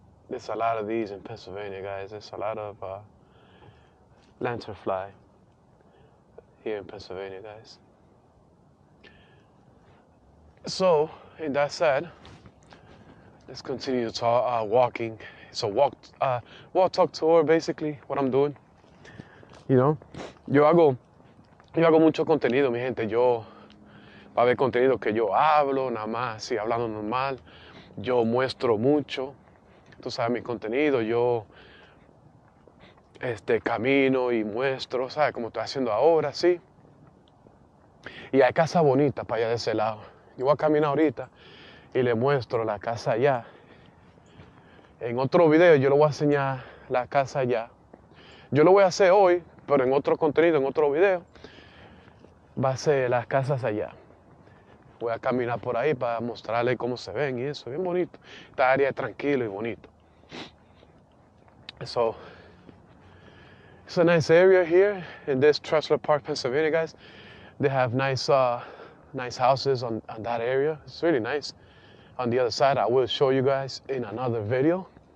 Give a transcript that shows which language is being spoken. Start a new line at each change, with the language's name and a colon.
English: There's a lot of these in Pennsylvania, guys. There's a lot of lanternfly here in Pennsylvania, guys. So, in that said, let's continue to talk, walking. So walk, talk, tour, basically, what I'm doing.
Spanish: Yo hago mucho contenido, mi gente. Yo, va a haber contenido que yo hablo, nada más, sí, hablando normal. Yo muestro mucho, tú sabes, mi contenido. Yo, camino y muestro, ¿sabes? Como estoy haciendo ahora, sí. Y hay casa bonita para allá de ese lado. Yo voy a caminar ahorita y le muestro la casa allá. En otro video yo le voy a enseñar la casa allá. Yo lo voy a hacer hoy, pero en otro contenido, en otro video, va a ser las casas allá. Voy a caminar por ahí para mostrarle cómo se ven y eso. Bien bonito. Esta área es tranquilo y bonito.
English: So, it's a nice area here in this Trestler Park, Pennsylvania, guys. They have nice, nice houses on that area. It's really nice. On the other side, I will show you guys in another video.